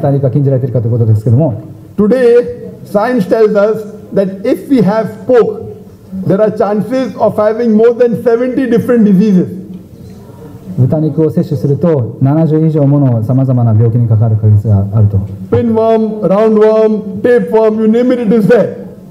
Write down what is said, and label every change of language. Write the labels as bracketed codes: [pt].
[en] Today, science tells us that if we have pork, there are chances of having more than 70 different diseases. [ja] 豚肉を摂取すると70以上ものさまざまな病気にかかる確率があると。 [en] Pinworm, roundworm, tapeworm, you name it, it is there.